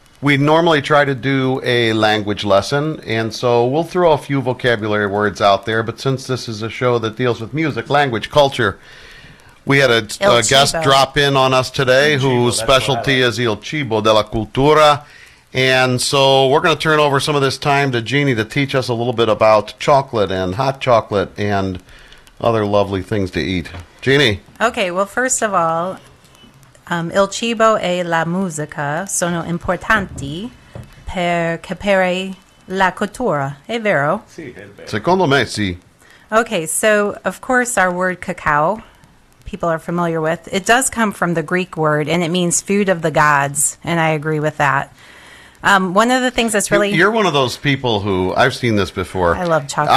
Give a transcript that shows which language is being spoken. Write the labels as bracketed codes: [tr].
[en] We normally try to do a language lesson, and so we'll throw a few vocabulary words out there, but since this is a show that deals with music, language, culture, we had a guest drop in on us today whose specialty is Il Cibo della Cultura, and so we're going to turn over some of this time to Jeannie to teach us a little bit about chocolate and hot chocolate and other lovely things to eat. Jeannie. [it] Okay, well, first of all, il cibo e la musica sono importanti per capire la cultura. È vero? Sì, è vero. Secondo me, sì. [en] Okay, so, of course, our word cacao, people are familiar with. It does come from the Greek word, and it means food of the gods, and I agree with that. One of the things that's really... You're one of those people who... I've seen this before. I love chocolate.